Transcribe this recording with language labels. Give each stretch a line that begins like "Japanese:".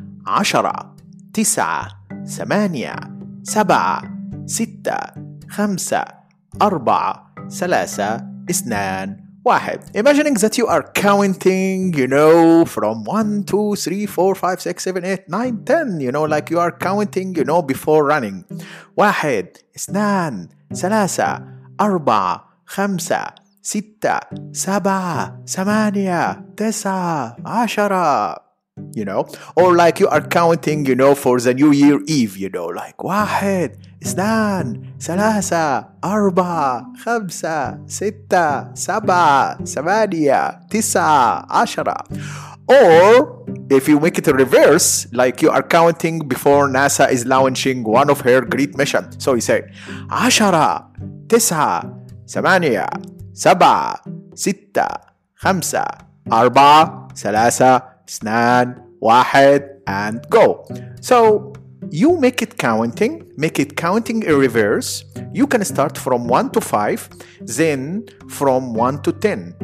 Arabic: Ashara, Tisa, Samaniya, Saba, Sitta, خمسة أربعة ثلاثة اثنان واحد.
English: Imagining that you are counting, you know, from 1, 2, 3, 4, 5, 6, 7, 8, 9, 10. You know, like you are counting, you know, before running.
Arabic: واحد اثنان ثلاثة أربعة خمسة ستة سبعة ثمانية تسعة عشرة.
English: You know, or like you are counting, you know, for the New Year Eve, you know, like
Arabic: واحد اثنان ثلاثة أربعة خمسة ستة سبعة ثمانية تسعة عشرة.
English: Or if you make it a reverse, like you are counting before NASA is launching one of her great missions. So you say
Arabic: عشرة تسعة ثمانية سبعة ستة خمسة أربعة ثلاثة اثنان واحد
English: and go. So you make it counting, make it counting in reverse. You can start from 1 to 5, then from 1 to 10.